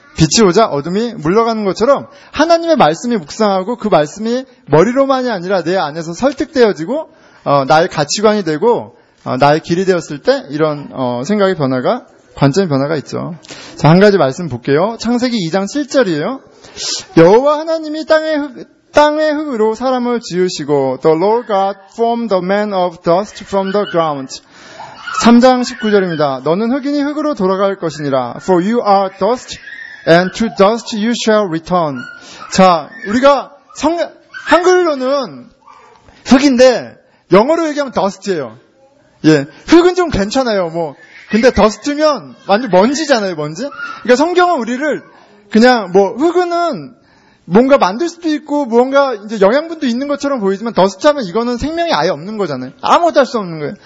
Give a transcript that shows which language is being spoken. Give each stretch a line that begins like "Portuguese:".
Korean: 빛이 오자 어둠이 물러가는 것처럼 하나님의 말씀이 묵상하고 그 말씀이 머리로만이 아니라 내 안에서 설득되어지고 나의 가치관이 되고 나의 길이 되었을 때 이런 생각의 변화가 관점의 변화가 있죠. 자, 한 가지 말씀 볼게요. 창세기 2장 7절이에요. 여호와 하나님이 땅의 흙으로 사람을 지으시고
English: The Lord God formed the man of dust from the ground.
Korean: 3장 19절입니다. 너는 흙이니 흙으로 돌아갈 것이니라.
English: For you are dust and to dust you shall return.
Korean: 자, 우리가 한글로는 흙인데 영어로 얘기하면 dust예요. 예, 흙은 좀 괜찮아요. 뭐 근데 dust면 완전 먼지잖아요, 먼지. 그러니까 성경은 우리를 그냥 뭐 흙은 뭔가 만들 수도 있고 뭔가 이제 영양분도 있는 것처럼 보이지만 dust하면 이거는 생명이 아예 없는 거잖아요. 아무것도 할 수 없는 거예요.